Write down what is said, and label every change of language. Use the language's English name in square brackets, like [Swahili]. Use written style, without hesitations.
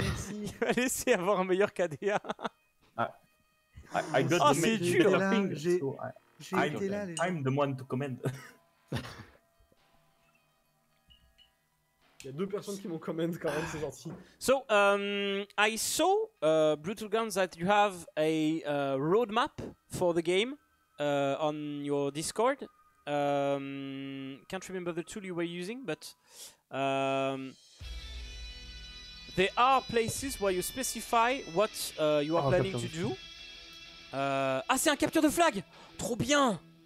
[French] Il va laisser avoir un meilleur KDA. [English] I got the main thing. [French] J'ai été là. [English] I'm the one to commend. [French] Il y a deux personnes qui m'ont comment quand même, c'est gentil. [English] So, I saw, Brutal Guns, that you have a roadmap for the game on your Discord. Can't remember the tool you were using, but there are places where you specify what you are planning to do. [French] Ah, c'est un capture de flag! Trop bien!